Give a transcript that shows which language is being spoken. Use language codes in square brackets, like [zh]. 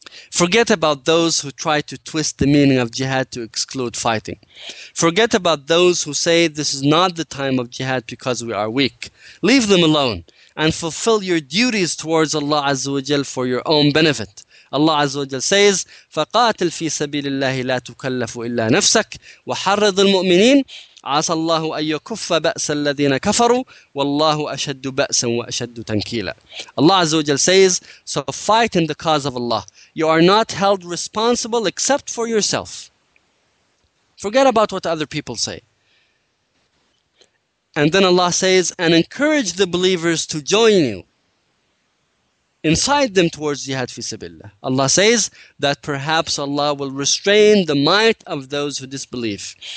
[en] Forget about those who try to twist the meaning of jihad to exclude fighting. Forget about those who say this is not the time of jihad because we are weak. Leave them alone. And fulfill your duties towards Allah Azza wa Jal for your own benefit. Allah Azza wa Jal says, [ar] فَقَاتِلْ فِي سَبِيلِ اللَّهِ لَا تُكَلَّفُ إِلَّا نَفْسَكَ وَحَرِّضِ الْمُؤْمِنِينَ عَسَى اللَّهُ أَن يَكُفَّ بَأْسَ الَّذِينَ كَفَرُوا وَاللَّهُ أَشَدُّ بَأْسًا وَأَشَدُّ تَنْكِيلًا. [en] Allah Azza wa Jal says, so fight in the cause of Allah. You are not held responsible except for yourself. Forget about what other people say. And then Allah says, and encourage the believers to join you. Incite them towards jihad fi sabilillah. Allah says that perhaps Allah will restrain the might of those who disbelieve.